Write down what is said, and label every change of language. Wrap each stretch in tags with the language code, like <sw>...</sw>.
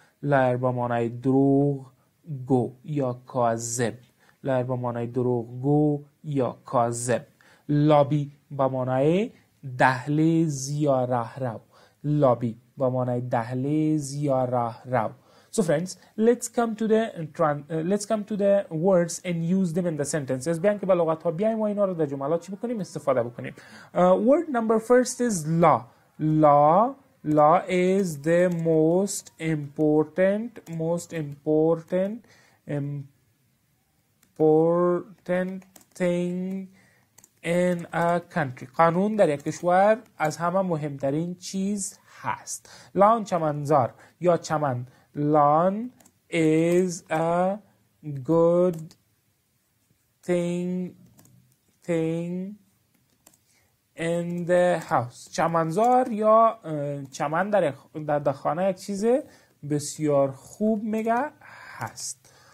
<fa>لر با معنای دروغ گو یا کاذب. لر با معنای دروغ گو یا کاذب. لابی با معنای دهلیز یا راه رو. لابی با معنای دهلیز یا راه رو.</fa> <en>So friends, let's come to the words and use them in the sentences.</en> <fa>بیان که با لغت ها بیاییم و اینا رو در جملات چی بکنیم؟ استفاده بکنیم.</fa> <en>Word number first is لا. لا. لا is the most important thing in a country.</en> <fa>قانون در یک کشور از همه مهمترین چیز هست. لان چمنزار یا چمن.</fa> <en>Lawn is a good thing in the house.</en> <fa>چمنزار یا چمن در خانه یک چیز بسیار خوب میگه هست.</fa>